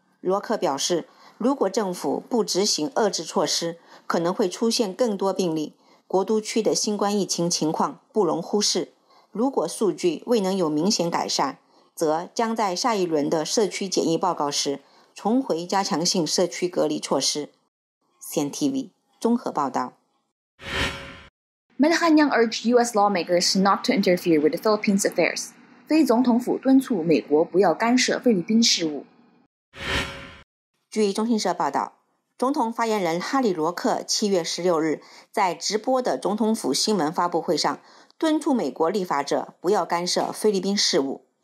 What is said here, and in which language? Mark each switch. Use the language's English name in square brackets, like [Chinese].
[Chinese] 罗克表示，如果政府不执行遏制措施，可能会出现更多病例，国都区的新冠疫情情况不容忽视。如果数据未能有明显改善，则将在下一轮的社区检疫报告时重回加强性社区隔离措施。 Cntv 综合报道。 [English] Malacañang urged US lawmakers not to interfere with the Philippines affairs. [Chinese] 非总统府敦促美国不要干涉菲律宾事务。据中新社报道，总统发言人哈里罗克7月16日在直播的总统府新闻发布会上敦促美国立法者不要干涉菲律宾事务。